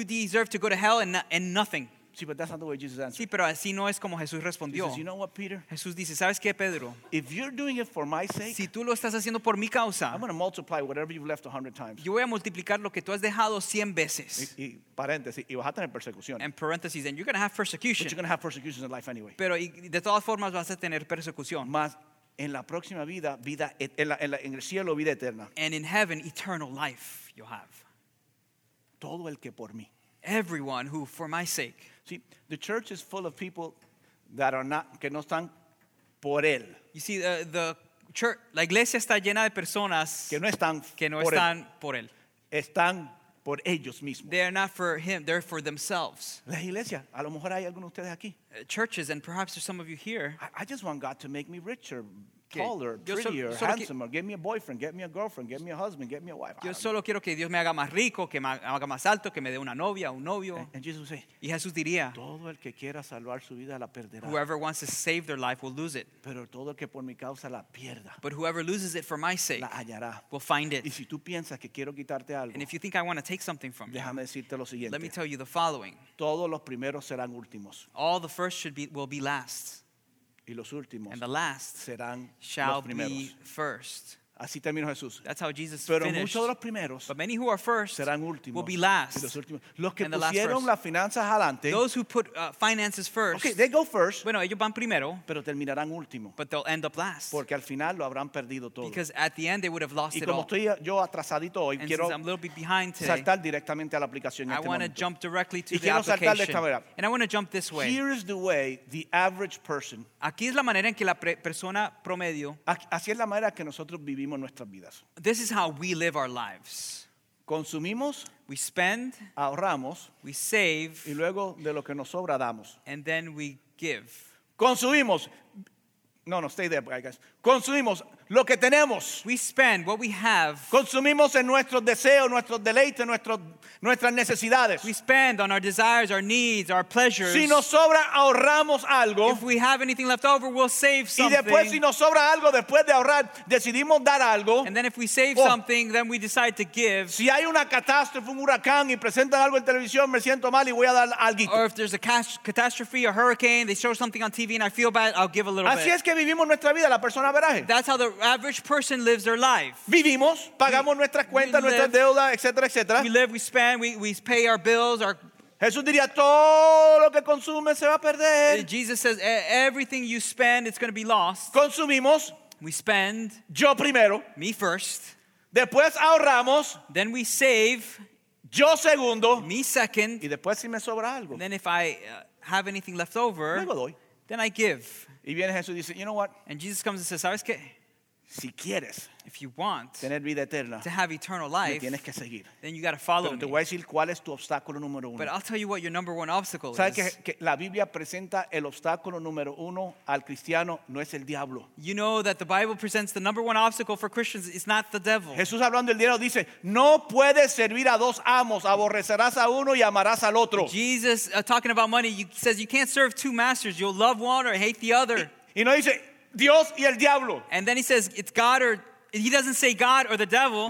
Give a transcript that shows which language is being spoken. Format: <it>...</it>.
<en>You deserve to go to hell and nothing. Sí, but that's not the way Jesus answered.</en> <es>Sí, pero así no es como Jesús respondió.</es> <en>Jesus, you know what, Peter?</en> <es>Jesús dice, ¿sabes qué, Pedro?</es> <en>If you're doing it for my sake,</en> <es>si tú lo estás haciendo por mi causa,</es> <en>I'm going to multiply whatever you've left 100 times.</en> <es>Yo voy a multiplicar lo que tú has dejado 100 veces. Y paréntesis, y vas a tener persecución.</es> <en>And parentheses, and you're going to have persecution. But you're going to have persecutions in life anyway.</en> <es>Pero de todas formas vas a tener persecución. Más en la próxima vida, vida en el cielo, vida eterna.</es> <en>And in heaven, eternal life you'll have.</en> <es>Todo el que por mí.</es> <en>Everyone who, for my sake. See, the church is full of people that are not,</en> <es>que no están por él.</es> <en>You see, the church,</en> <es>la iglesia está llena de personas que no están, que no por, están él. Por él. Están por ellos mismos.</es> <en>They are not for him, they're for themselves.</en> <es>La iglesia, a lo mejor hay algunos de ustedes aquí.</es> <en>Churches, and perhaps there's some of you here. I just want God to make me richer. Taller, prettier, handsomer. Give me a boyfriend. Give me a girlfriend. Give me a husband. Give me a wife.</en> <es>Yo solo quiero que Dios me haga más rico, que me haga más alto, que me dé una novia, un novio.</es> <en>And Jesus would say,</en> <es>y Jesús diría, todo el que quiera salvar su vida la perderá.</es> <en>Whoever wants to save their life will lose it.</en> <es>Pero todo el que por mi causa la pierda.</es> <en>But whoever loses it for my sake,</en> <es>la hallará.</es> <en>Will find it.</en> <es>Y si tú piensas que quiero quitarte algo,</es> <en>and if you think I want to take something from you,</en> <es>déjame decirte lo siguiente.</es> <en>Let me tell you the following.</en> <es>Todos los primeros serán últimos.</es> <en>All the first should be will be last.</en> <es>Y los últimos</es> <en>and the last</en> <es>serán</es> <en>shall</en> <es>los primeros.</es> <en>Be first.</en> <es>Así terminó Jesús.</es> <en>That's how Jesus</en> <es>pero</es> <en>finished.</en> <es>Muchos de los primeros</es> <en>but many who are first</en> <es>serán últimos.</es> <en>Will be last.</en> <es>Y los últimos. Los que pusieron las finanzas adelante.</es> <en>Those who put finances first. Okay, they go first.</en> <es>Bueno, ellos van primero. Pero terminarán último.</es> <en>But they'll end up last.</en> <es>Porque al final lo habrán perdido todo.</es> <en>Because at the end they would have lost it all.</en> <es>Y como estoy yo atrasadito hoy,</es> <en>and</en> <es>quiero</es> <en>since I'm a little bit behind today,</en> <es>saltar directamente a la aplicación en</es> <en>I</en> <es>este momento.</es> <en>I want to jump directly to</en> <es>y</es> <en>the application.</en> <es>Y quiero saltar de esta manera.</es> <en>And I want to jump this way. Here is the way the average person.</en> <es>Aquí es la manera en que la persona promedio. Así es la manera que nosotros vivimos.</es> <en>This is how we live our lives.</en> <es>Consumimos,</es> <en>we spend,</en> <es>ahorramos,</es> <en>we save,</en> <es>y luego de lo que nos sobra damos.</es> <en>And then we give.</en> <es>Consumimos,</es> <en>No, no, stay there, guys.</en> <es>Consumimos lo que tenemos.</es> <en>We spend what we have.</en> <es>Consumimos en nuestros deseos, nuestros deleites, nuestras necesidades.</es> <en>We spend on our desires, our needs, our pleasures.</en> <es>Si nos sobra, ahorramos algo.</es> <en>If we have anything left over, we'll save something.</en> <es>Y después, si nos sobra algo, después de ahorrar, decidimos dar algo.</es> <en>And then if we save something, then we decide to give.</en> <es>Si hay una catástrofe, un huracán, y presentan algo en televisión, me siento mal y voy a dar alguito.</es> <en>Or if there's a catastrophe, a hurricane, they show something on TV and I feel bad, I'll give a little</en> <es>Así</es> <en>bit.</en> <es>Así es que vivimos nuestra vida, la persona veraje.</es> <en>That's how the average person lives their life.</en> <es>Vivimos, pagamos nuestras cuentas, nuestras deudas, etcétera, etcétera.</es> <en>We live, we spend, we pay our bills, our</en> <es>Jesús diría, todo lo que consume se va a perder.</es> <en>Jesus says everything you spend it's going to be lost.</en> <es>Consumimos,</es> <en>we spend.</en> <es>Yo primero,</es> <en>me first.</en> <es>Después ahorramos,</es> <en>then we save.</en> <es>Yo segundo,</es> <en>me second.</en> <es>Y después si me sobra algo,</es> <en>and then if I have anything left over,</en> <es>luego doy.</es> <en>Then I give.</en> <es>Y viene Jesús y dice,</es> <en>you know what? And Jesus comes and says,</en> <es>¿sabes qué? Si quieres,</es> <en>if you want</en> <es>tener vida eterna,</es> <en>to have eternal life,</en> <es>me tienes que seguir.</es> <en>Then you got to follow</en> <es>Pero te voy a decir cuál es tu obstáculo número uno.</es> <en>But I'll tell you what your number one obstacle</en> <es>¿Sabes</es> <en>is.</en> <es>Que la Biblia presenta el obstáculo número uno al cristiano, no es el diablo.</es> <en>You know that the Bible presents the number one obstacle for Christians is not the devil.</en> <es>Jesús hablando del diablo dice, no puedes servir a dos amos, aborrecerás a uno y amarás al otro.</es> <en>Jesus, talking about money, he says you can't serve two masters, you'll love one or hate the other.</en> <es>Y no dice, Dios y el diablo.</es> <en>And then he says it's God or he doesn't say God or the devil.</en>